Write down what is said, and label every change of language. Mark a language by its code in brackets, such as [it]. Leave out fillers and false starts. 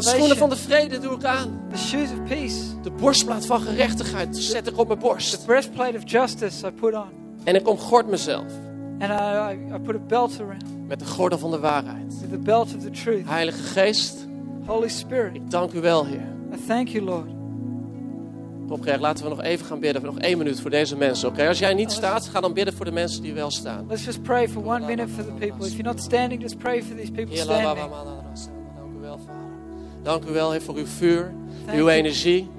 [nl] De schoenen van de vrede doe ik aan. [en] The shoes of peace. [nl] De borstplaat van gerechtigheid zet ik op mijn borst. [en] The breastplate of justice I put on. [nl] En ik omgord mezelf. [en] And I put a belt around. [nl] Met de gordel van de waarheid. [en] With the belt of the truth. [nl] Heilige Geest. [en] Holy Spirit. [nl] Ik dank u wel, Heer. [en] I thank you, Lord. [nl] Kom, Greg, laten we nog even gaan bidden. Nog 1 minuut voor deze mensen, oké? Okay? Als jij niet staat, ga dan bidden voor de mensen die wel staan. [en] Let's just pray for 1 minute for the people. If you're not standing, just pray for these people standing. [nl] Dank u wel, Vader. Dank u wel, Heer, voor uw vuur, uw energie.